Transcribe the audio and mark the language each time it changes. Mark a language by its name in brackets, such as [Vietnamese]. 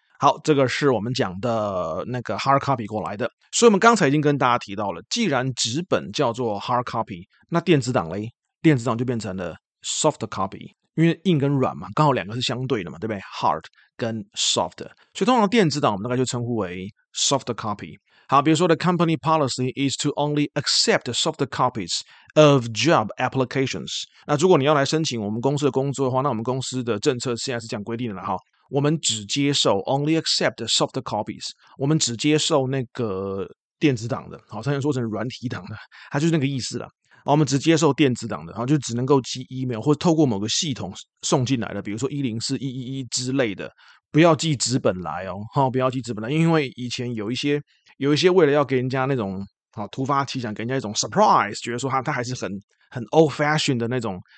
[Chinese] 好，这个是我们讲的那个 hard copy 过来的。所以我们刚才已经跟大家提到了，既然纸本叫做 hard copy， 那电子档嘞，电子档就变成了 soft copy。因为硬跟软嘛，刚好两个是相对的嘛，对不对 ？Hard 跟 soft， 所以通常电子档我们大概就称呼为 soft copy。好，比如说 [English] ，the company policy is to only accept soft copies of job applications。 [Chinese] 那如果你要来申请我们公司的工作的话，那我们公司的政策现在是这样规定的哈，我们只接受 [English] only accept soft copies， [Chinese] 我们只接受那个电子档的，好，差点说成软体档的，它就是那个意思了。我们只接受电子档的，然后就只能够寄 email 或透过某个系统送进来的，比如说104111之类的，不要寄纸本来哦，好，不要寄纸本来，因为以前有一些为了要给人家那种好突发奇想，给人家一种 surprise， 觉得说他还是很 old fashion 的那种。